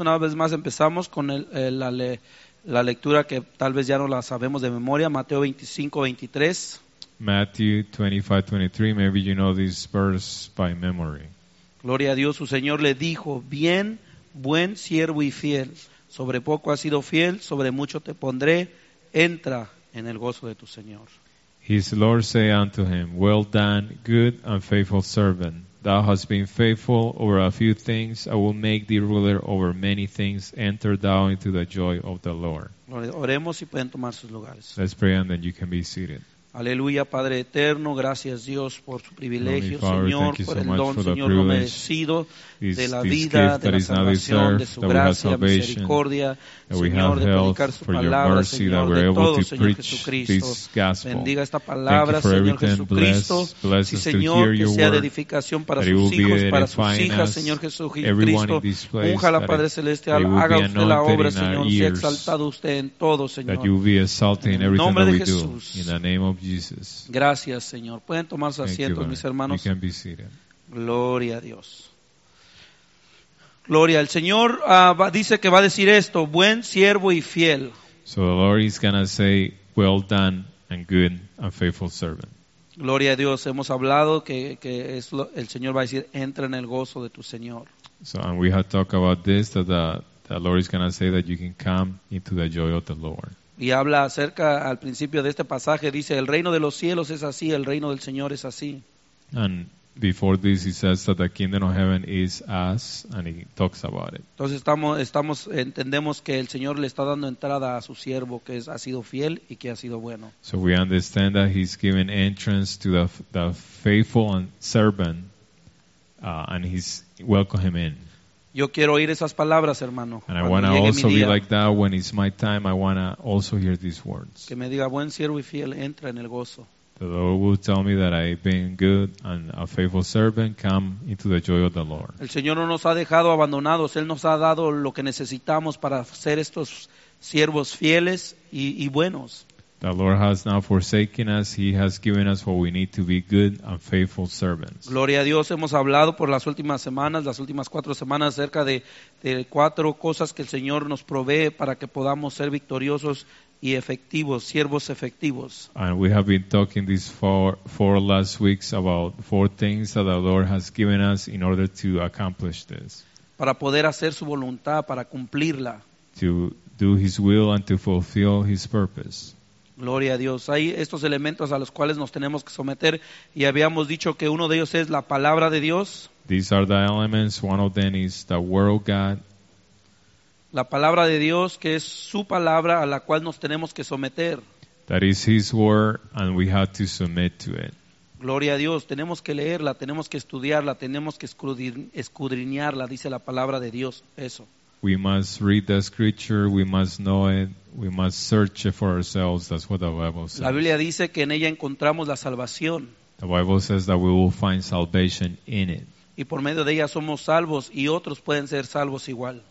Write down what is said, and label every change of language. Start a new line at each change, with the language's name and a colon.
Spanish: Una vez más empezamos con la lectura que tal vez ya no la sabemos de memoria, Mateo 25, 23.
English: Matthew 25, 23, maybe you know this verse by memory.
Spanish: Gloria a Dios, su Señor le dijo, bien, buen siervo y fiel, sobre poco has sido fiel, sobre mucho te pondré, entra en el gozo de tu Señor.
English: His Lord said unto him, well done, good and faithful servant. Thou hast been faithful over a few things. I will make thee ruler over many things. Enter thou into the joy of the Lord.
Spanish: Oremos y pueden tomar sus lugares.
English: Let's pray and then you can be seated.
Spanish: Aleluya, Padre eterno, gracias Dios por su privilegio, Señor, por el don, Señor, no merecido de la vida, de la salvación, de su gracia, misericordia, Señor, de predicar su palabra, Señor, de todo, Señor Jesucristo. Bendiga esta palabra, Señor Jesucristo. Sí, Señor, que sea de edificación para sus hijos, para sus hijas, Señor Jesucristo. Ojalá, Padre Celestial, haga usted la obra, Señor, sea exaltado usted en todo, Señor. En el nombre de Jesús.
English: Jesus.
Spanish: Gracias, Señor. Pueden tomar sus asientos,
English: you,
Spanish: mis hermanos. Gloria a Dios. Gloria. El Señor dice que va a decir esto: buen siervo y fiel.
English: So the Lord is gonna say, well done and good and faithful servant.
Spanish: Gloria a Dios. Hemos hablado que es el Señor va a decir, entra en el gozo de tu Señor.
English: So and we have talked about this that the Lord is gonna say that you can come into the joy of the Lord.
Spanish: Y habla acerca al principio de este pasaje, dice, el reino de los cielos es así, el reino del Señor es así.
English: And before this he says that the kingdom of heaven is us, and he talks about it.
Spanish: Entonces estamos entendemos que el Señor le está dando entrada a su siervo que ha sido fiel y que ha sido bueno.
English: So we understand that he's giving entrance to the faithful servant, and he's welcoming him in.
Spanish: Yo quiero oír esas palabras, hermano.
English: And I want to also be like that when it's my time. I want to also hear these words.
Spanish: Que me diga, buen siervo y fiel, entra en el gozo.
English: The Lord will tell me that I've been good and a faithful servant. Come into the joy of the Lord.
Spanish: El Señor no nos ha dejado abandonados. Él nos ha dado lo que necesitamos para ser estos siervos fieles y buenos.
English: The Lord has not forsaken us. He has given us what we need to be good and faithful servants.
Spanish: Gloria a Dios. Hemos hablado por las últimas cuatro semanas, acerca de cuatro cosas que el Señor nos provee para que podamos ser victoriosos y efectivos, siervos efectivos.
English: And we have been talking these four last weeks about four things that the Lord has given us in order to accomplish this.
Spanish: Para poder hacer su voluntad, para cumplirla.
English: To do His will and to fulfill His purpose.
Spanish: Gloria a Dios. Hay estos elementos a los cuales nos tenemos que someter y habíamos dicho que uno de ellos es la palabra de Dios.
English: These are the elements. One of them is the word of God.
Spanish: La palabra de Dios, que es su palabra a la cual nos tenemos que someter.
English: That is His word and we have to submit to it.
Spanish: Gloria a Dios. Tenemos que leerla, tenemos que estudiarla, tenemos que escudriñarla, dice la palabra de Dios. Eso.
English: We must read the scripture, we must know it, we must search it for ourselves. That's what the Bible says.
Spanish: La Biblia dice que en ella encontramos la salvación.
English: The Bible says that we will find salvation in it.
Spanish: Y por medio de ella somos salvos y otros pueden ser salvos igual.